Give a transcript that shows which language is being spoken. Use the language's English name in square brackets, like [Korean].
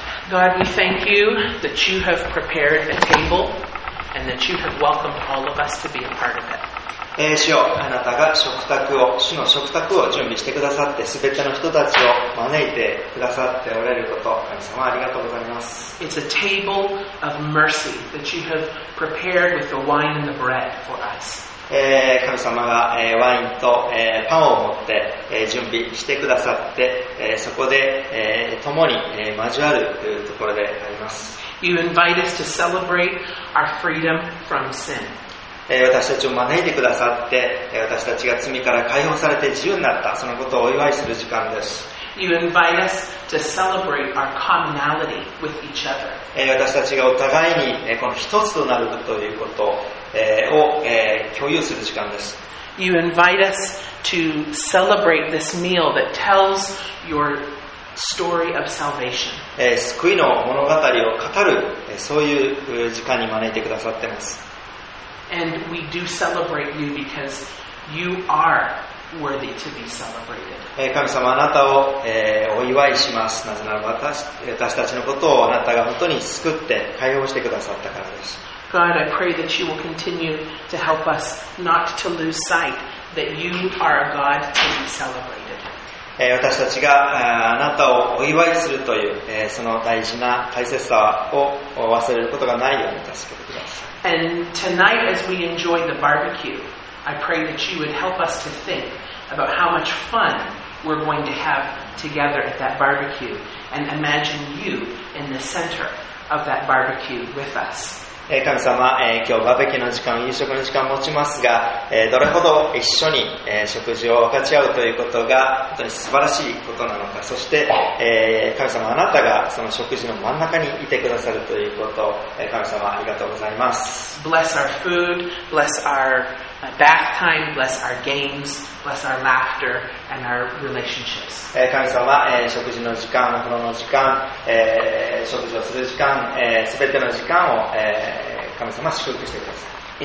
[English] God, we thank you that you have prepared a table and that you have welcomed all of us to be a part of it. [Japanese] 主よ、あなたが食卓を、主の食卓を準備してくださって、すべての人たちを招いてくださっておられること、神様ありがとうございます。 [English] It's a table of mercy that you have prepared with the wine and the bread for us. [Japanese] 神様がワインとパンを持って準備してくださってそこで共に交わるというところであります。 [English] You invite us to celebrate our freedom from sin. [Japanese] 私たちを招いてくださって私たちが罪から解放されて自由になったそのことをお祝いする時間です。 [English] You invite us to celebrate our commonality with each other. [Japanese] 私たちがお互いにこの一つとなるということを共有する時間です。 [English] You invite us to celebrate this meal that tells your story of salvation. [Japanese] 救いの物語を語るそういう時間に招いてくださってます。 [English] And we do celebrate you because you are. Worthy to be celebrated. [Japanese] 神様あなたを、お祝いします。なぜならば 私たちのことをあなたが本当に救って解放してくださったからです。 [English] God, I pray that you will continue to help us not to lose sight that you are a God to be celebrated. [Japanese] 私たちが あなたをお祝いするという、その大事な大切さを忘れることがないように助けてください。 [English] And tonight as we enjoy the barbecue,I pray that you would help us to think about how much fun we're going to have together at that barbecue and imagine you in the center of that barbecue with us. [Japanese] 神様、今日バーベキューの時間、夕食の時間を持ちますが、どれほど一緒に、食事を分かち合うということが本当に素晴らしいことなのか、そして、神様、あなたがその食事の真ん中にいてくださるということ、神様、ありがとうございます。 [English] Bless our food, bless ourBath time, bless our games, bless our laughter and our relationships. [Japanese] 神様、食事の時間、お風呂の時間、食事をする時間、すべての時間を、神様祝福してください。